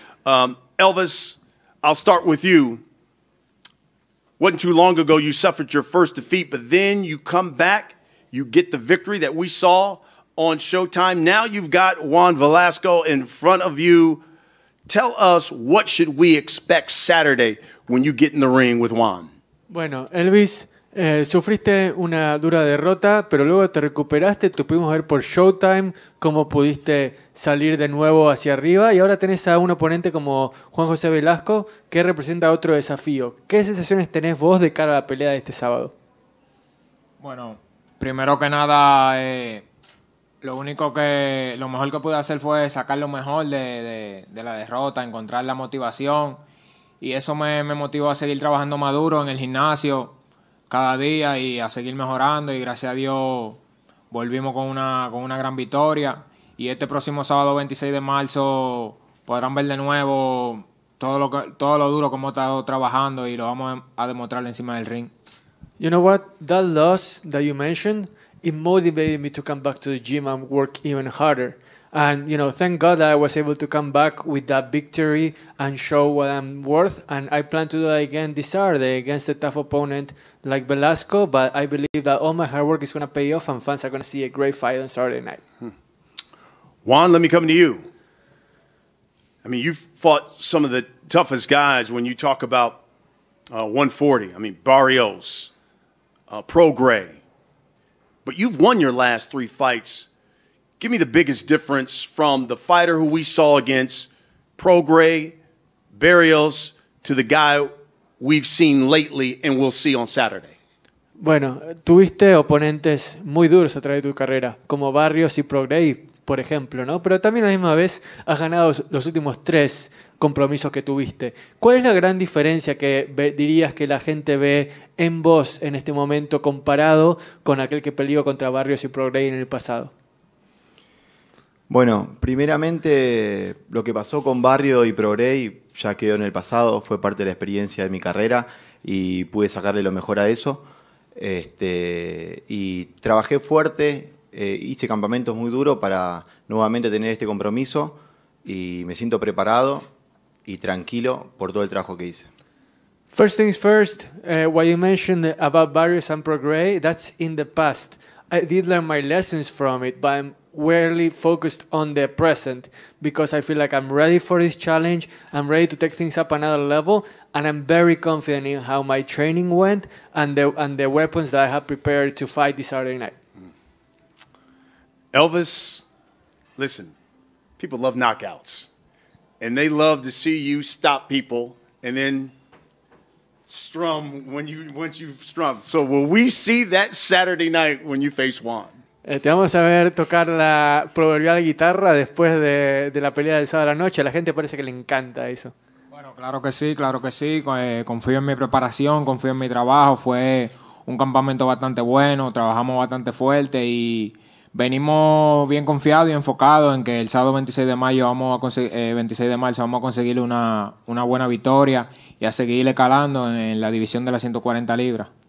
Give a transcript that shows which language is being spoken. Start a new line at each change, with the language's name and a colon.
English: Elvis, I'll start with you. Wasn't too long ago you suffered your first defeat, but then you come back, you get the victory that we saw on Showtime. Now you've got Juan Velasco in front of you. Tell us, what should we expect Saturday when you get in the ring with Juan?
Spanish: Bueno, Elvis, sufriste una dura derrota, pero luego te recuperaste. Te pudimos ver por Showtime cómo pudiste salir de nuevo hacia arriba. Y ahora tenés a un oponente como Juan José Velasco, que representa otro desafío. ¿Qué sensaciones tenés vos de cara a la pelea de este sábado? Bueno, primero que nada, lo mejor que pude hacer fue sacar lo mejor de la derrota, encontrar la motivación. Y eso me motivó a seguir trabajando más duro en el gimnasio cada día y a seguir mejorando. Y gracias a Dios volvimos con una gran victoria. Y este próximo sábado 26 de marzo podrán ver de nuevo todo lo duro que hemos estado trabajando y lo vamos a demostrar encima del ring.
English: You know what? That loss that you mentioned, it motivated me to come back to the gym and work even harder. And, you know, thank God that I was able to come back with that victory and show what I'm worth. And I plan to do that again this Saturday against a tough opponent like Velasco. But I believe that all my hard work is going to pay off and fans are going to see a great fight on Saturday night. Juan, let me come to you. I mean, you've fought some of the toughest guys when you talk about 140. I mean, Barrios, Pro Gray. But you've won your last three fights. Give me the biggest difference from the fighter who we saw against Pro Gray, Barrios, to the guy we've seen lately and we'll see on Saturday.
Spanish: Bueno, tuviste oponentes muy duros a través de tu carrera, como Barrios y Pro Gray, por ejemplo, ¿no? Pero también a la misma vez has ganado los últimos tres compromisos que tuviste. ¿Cuál es la gran diferencia que dirías que la gente ve en vos en este momento comparado con aquel que peleó contra Barrios y Pro Gray en el pasado? Bueno, primeramente lo que pasó con Barrio y Pro Gray ya quedó en el pasado, fue parte de la experiencia de mi carrera y pude sacarle lo mejor a eso. Y trabajé fuerte, hice campamentos muy duros para nuevamente tener este compromiso y me siento preparado y tranquilo por todo el trabajo que hice.
English: First things first, what you mentioned about Barrios and Pro Gray, that's in the past. I did learn my lessons from it, but I'm really focused on the present because I feel like I'm ready for this challenge. I'm ready to take things up another level, and I'm very confident in how my training went and the weapons that I have prepared to fight this Saturday night. Elvis, listen, people love knockouts, and they love to see you stop people and then strum once you've strummed. So will we see that Saturday night when you face Juan?
Spanish: Te vamos a ver tocar la proverbial guitarra después de la pelea del sábado a la noche. A la gente parece que le encanta eso. Bueno, claro que sí. Confío en mi preparación, confío en mi trabajo. Fue un campamento bastante bueno, trabajamos bastante fuerte y venimos bien confiados y enfocados en que el sábado 26 de marzo vamos a conseguir una buena victoria y a seguir escalando en la división de las 140 libras.